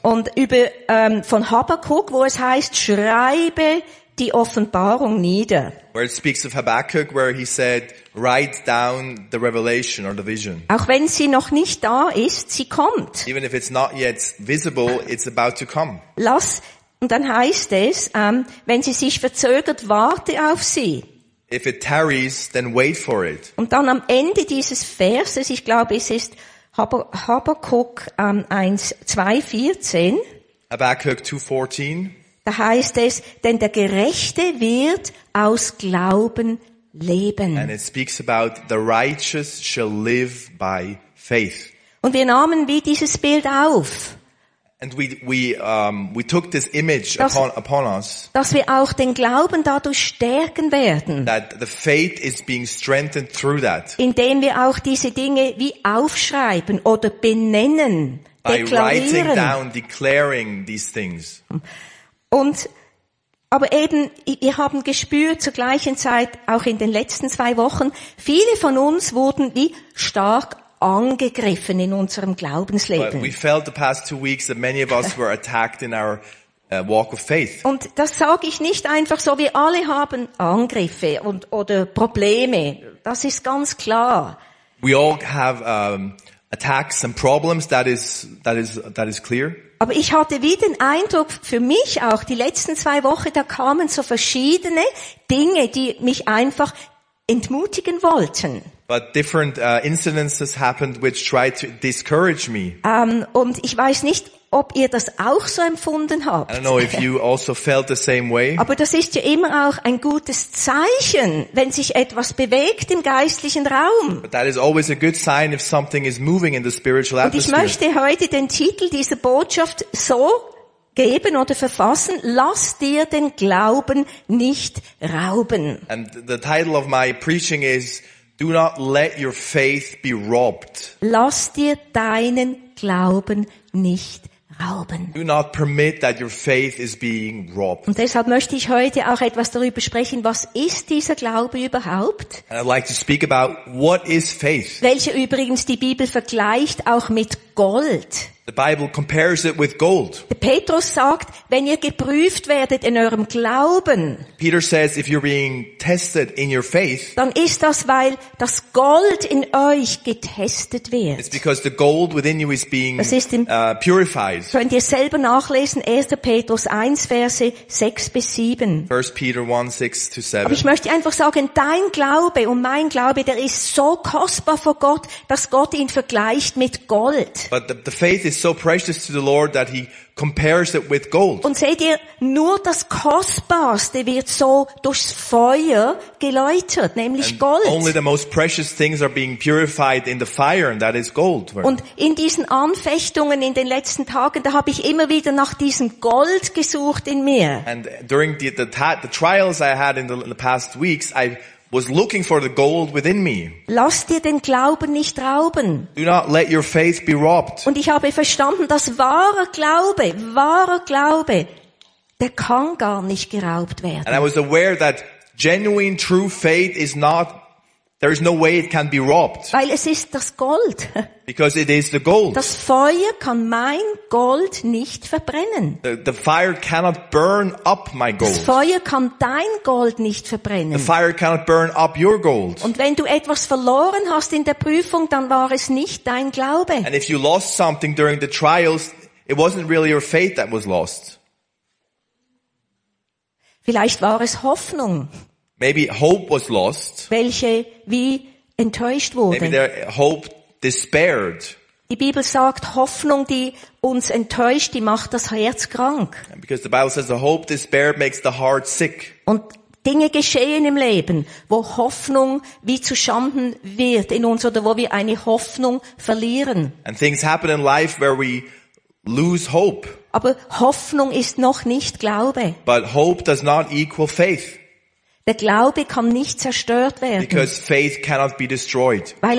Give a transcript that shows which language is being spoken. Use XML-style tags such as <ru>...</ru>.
<de>Und über, von Habakkuk, wo es heißt, schreibe die Offenbarung nieder.</de> <en>Where it speaks of Habakkuk, where he said, write down the revelation or the vision.</en> <de>Auch wenn sie noch nicht da ist, sie kommt.</de> <en>Even if it's not yet visible, it's about to come.</en> <de>Und dann heißt es, wenn sie sich verzögert, warte auf sie.</de> <en>If it tarries, then wait for it.</en> <de>Und dann am Ende dieses Verses, ich glaube, es ist Habakkuk 2,14.</de> <en>Habakkuk 2,14.</en> <de>Da heißt es, denn der Gerechte wird aus Glauben leben.</de> <en>And it speaks about the righteous shall live by faith.</en> <de>Und wir nahmen wie dieses Bild auf.</de> <en>And we took this image upon us.</en> <de>Dass wir auch den Glauben dadurch stärken werden.</de> <en>That the faith is being strengthened through that.</en> <de>Indem wir auch diese Dinge wie aufschreiben oder benennen, deklarieren.</de> <en>By writing down, declaring these things.</en> <de>Und, aber eben, wir haben gespürt zur gleichen Zeit, auch in den letzten 2 Wochen, viele von uns wurden wie stark angegriffen in unserem Glaubensleben.</de> <en>But we felt the past 2 weeks that many of us were attacked in our walk of faith.</en> <de>Und das sage ich nicht einfach so, wir alle haben Angriffe und oder Probleme. Das ist ganz klar.</de> <en>We all have attacks and problems, that is clear.</en> <de>Aber ich hatte wie den Eindruck, für mich auch, die letzten 2 Wochen, da kamen so verschiedene Dinge, die mich einfach entmutigen wollten.</de> <en>But different incidences happened which tried to discourage me.</en> <de>Und ich weiß nicht, ob ihr das auch so empfunden habt.</de> <en>I don't know if you also felt the same way.</en> <de>Aber das ist ja immer auch ein gutes Zeichen, wenn sich etwas bewegt im geistlichen Raum.</de> <en>But that is always a good sign if something is moving in the spiritual atmosphere.</en> <de>Und ich möchte heute den Titel dieser Botschaft so geben oder verfassen: Lass dir den Glauben nicht rauben.</de> <en>And the title of my preaching is: Do not let your faith be robbed.</en> <de>Lass dir deinen Glauben nicht rauben.</de> <en>Do not permit that your faith is being robbed.</en> <de>Und deshalb möchte ich heute auch etwas darüber sprechen, was ist dieser Glaube überhaupt?</de> <en>And I'd like to speak about what is faith.</en> <de>Welche übrigens die Bibel vergleicht auch mit Gold.</de> <en>The Bible compares it with gold.</en> <de>Petrus sagt, wenn ihr geprüft werdet in eurem Glauben.</de> <en>Peter says, if you're being tested in your faith,</en> <de>dann ist das, weil das Gold in euch getestet wird.</de> <en>It's because the gold within you is being purified.</en> <de>Könnt ihr selber nachlesen, 1. Petrus 1, Verse 6 bis 7.</de> <en>1. Peter 1, 6 to 7.</en> <de>Aber ich möchte einfach sagen, dein Glaube und mein Glaube, der ist so kostbar vor Gott, dass Gott ihn vergleicht mit Gold.</de> <en>But the faith is so precious to the Lord that he compares it with gold.</en> <de>Und seht ihr, nur das Kostbarste wird so durchs Feuer geläutert, nämlich</de> <en>and</en> <de>Gold.</de> <en>Only the most precious things are being purified in the fire, and that is gold.</en> <de>Und in diesen Anfechtungen in den letzten Tagen, da habe ich immer wieder nach diesem Gold gesucht in mir.</de> <en>And during the trials I had in the past weeks, I was looking for the gold within me.</en> <de>Lass dir den Glauben nicht rauben.</de> <en>Do not let your faith be robbed.</en> <de>Und ich habe verstanden, dass wahrer Glaube, der kann gar nicht geraubt werden.</de> <en>And I was aware that genuine true faith is not, there is no way it can be robbed.</en> <de>Weil es ist das Gold.</de> <en>Because it is the gold.</en> <de>Das Feuer kann mein Gold nicht verbrennen.</de> <en>The fire cannot burn up my gold.</en> <de>Das Feuer kann dein Gold nicht verbrennen.</de> <en>The fire cannot burn up your gold.</en> <de>Und wenn du etwas verloren hast in der Prüfung, dann war es nicht dein Glaube.</de> <en>And if you lost something during the trials, it wasn't really your faith that was lost.</en> <de>Vielleicht war es Hoffnung.</de> <en>Maybe hope was lost.</en> <de>Welche wie enttäuscht wurde.</de> <en>Maybe their hope despaired.</en> <de>Die Bibel sagt, Hoffnung, die uns enttäuscht, die macht das Herz krank.</de> <en>Because the Bible says the hope despaired makes the heart sick.</en> <de>Und Dinge geschehen im Leben, wo Hoffnung wie zu Schanden wird in uns oder wo wir eine Hoffnung verlieren.</de> <en>And things happen in life where we lose hope.</en> <de>Aber Hoffnung ist noch nicht Glaube.</de> <en>But hope does not equal faith.</en> <de>Der Glaube kann nicht zerstört werden.</de> <en>Because faith cannot be destroyed.</en>